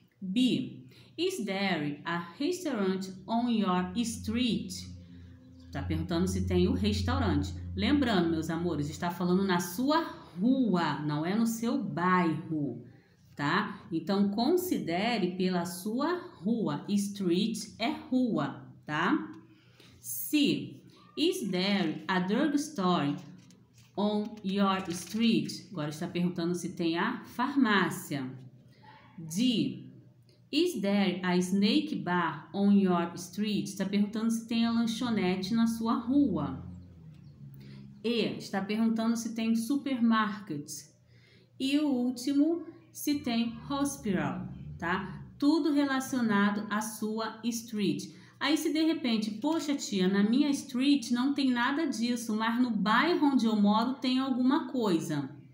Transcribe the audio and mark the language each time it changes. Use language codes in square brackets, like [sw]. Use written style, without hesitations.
[en] B, is there a restaurant on your street? [pt] Está perguntando se tem um restaurante. Lembrando, meus amores, está falando na sua rua, não é no seu bairro, tá? Então, considere pela sua rua. Street é rua, tá? [en] C, is there a drugstore on your street? [pt] Agora está perguntando se tem a farmácia. [en] D, is there a snake bar on your street? [pt] Está perguntando se tem a lanchonete na sua rua. E, está perguntando se tem supermarket. E o último, se tem hospital, tá? Tudo relacionado à sua street. Aí, se de repente, poxa tia, na minha street não tem nada disso, mas no bairro onde eu moro tem alguma coisa.